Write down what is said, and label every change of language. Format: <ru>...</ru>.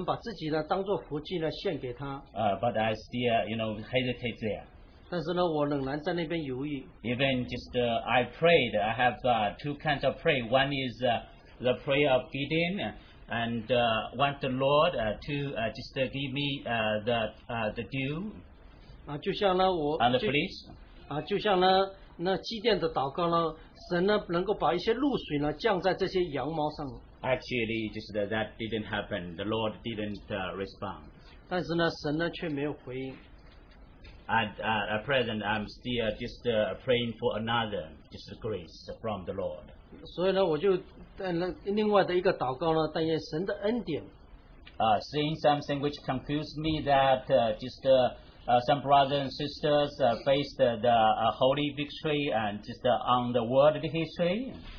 <zh>神呢，就是要我们把自己呢当做活祭呢献给他。</zh> <en>But I still, hesitate there.</en> <zh>但是呢，我仍然在那边犹豫。</zh> <en>Even I prayed. I have two kinds of prayer. One is the prayer of Gideon, and want the Lord to give me the dew.</en> <zh>就像呢，我</zh> <en>and the fleece.</en> <zh>就像呢，那基甸的祷告呢，神呢能够把一些露水呢降在这些羊毛上。</zh> <en>Actually, just that didn't happen. The Lord didn't respond.</en> <zh>但是呢，神呢却没有回应。</zh> <en>At present, I'm still just praying for another just grace from the Lord.</en> <zh>所以呢，我就另外的一个祷告呢，但愿神的恩典。</zh> <en>Seeing something which confused me, that some brothers and sisters faced the holy victory and on the world history.</en>